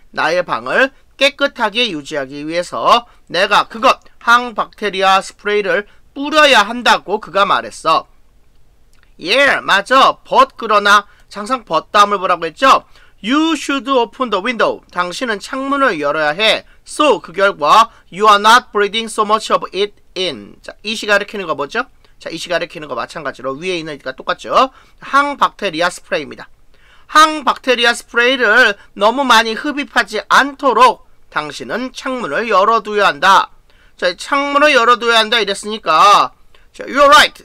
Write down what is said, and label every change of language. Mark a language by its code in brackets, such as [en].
[ko] 나의 방을 깨끗하게 유지하기 위해서 내가 그것, 항박테리아 스프레이를 뿌려야 한다고 그가 말했어. Yeah, 맞아. But, 그러나, 항상 but 다음을 보라고 했죠? [en] You should open the window. [ko] 당신은 창문을 열어야 해. [en] So, [ko] 그 결과, [en] you are not breathing so much of it in. [ko] 자, 이시 가리키는 거 뭐죠? 자, 이시 가리키는 거 마찬가지로 위에 있는 거 똑같죠? 항박테리아 스프레이입니다. 항박테리아 스프레이를 너무 많이 흡입하지 않도록 당신은 창문을 열어둬야 한다. 자, 창문을 열어둬야 한다 이랬으니까, [en] You're right.